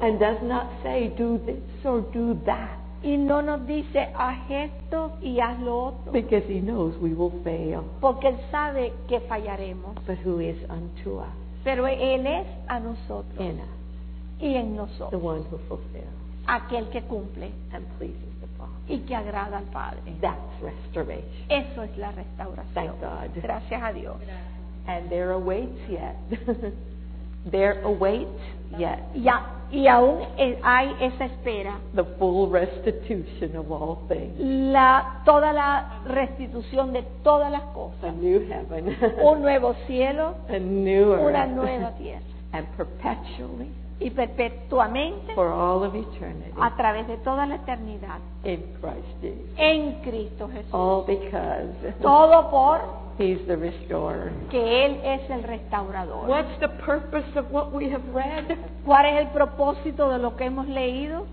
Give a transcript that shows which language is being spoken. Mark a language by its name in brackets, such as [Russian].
[English] And does not say do this or do that. [Spanish] Y no nos dice haz esto y haz lo otro. [English] Because he knows we will fail. [Spanish] Porque él sabe que fallaremos. [English] But who is unto us. [Spanish] Pero él es a nosotros. [English] In us. [Spanish] Y en nosotros. [English] The one who fulfills. [Spanish] Aquel que cumple. [English] And pleases the Father. [Spanish] Y que agrada al Padre. [English] That's restoration. [Spanish] Eso es la restauración. [English] Thank God. [Spanish] Gracias a Dios. [English] And there awaits yet. There awaits yet. [Spanish] Ya. Y aún hay esa espera. [English] The full restitution of all things. [Spanish] Toda la restitución de todas las cosas. [English] A new heaven. [Spanish] Un nuevo cielo. [English] A new earth. [Spanish] Una nueva tierra. [English] And perpetually. [Spanish] Y perpetuamente. [English] For all of eternity. [Spanish] A través de toda la eternidad. [English] In Christ Jesus. [Spanish] En Cristo Jesús. [English] All because. [Spanish] Todo por. [English] He's the restorer. [Spanish] Que él es el restaurador. [English] What's the purpose of what we have read? [Spanish] ¿Cuál es el propósito de lo que hemos leído?